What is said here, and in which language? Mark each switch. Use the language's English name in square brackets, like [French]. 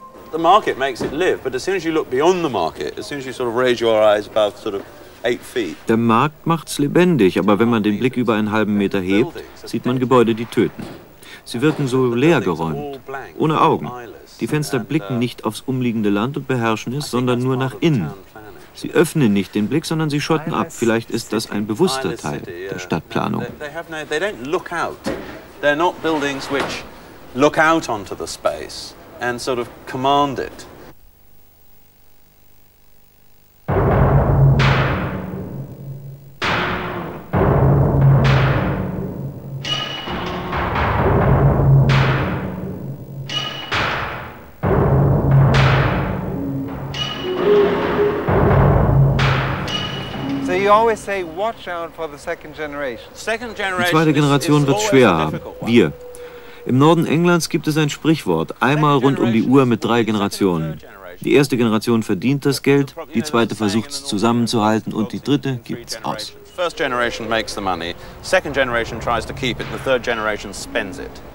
[English] The market makes it live, but as soon as you look beyond the market, as soon as you sort of raise your eyes about sort of 8 feet. [German] Der Markt macht's lebendig, aber wenn man den Blick über einen halben Meter hebt, sieht man Gebäude, die töten. Sie wirken so leergeräumt, ohne Augen. Die Fenster blicken nicht aufs umliegende Land und beherrschen es, sondern nur nach innen. Sie öffnen nicht den Blick, sondern sie schotten ab. Vielleicht ist das ein bewusster Teil der Stadtplanung. [English] They don't look out. They're not buildings which look out onto the space. And sort of command it. You always say, watch out for the second generation. Second generation. [German] Die zweite Generation wird schwer haben. Wir. Im Norden Englands gibt es ein Sprichwort, einmal rund um die Uhr mit drei Generationen. Die erste Generation verdient das Geld, die zweite versucht es zusammenzuhalten und die dritte gibt es aus. [English] First generation makes the money, second generation tries to keep it, the third generation spends it.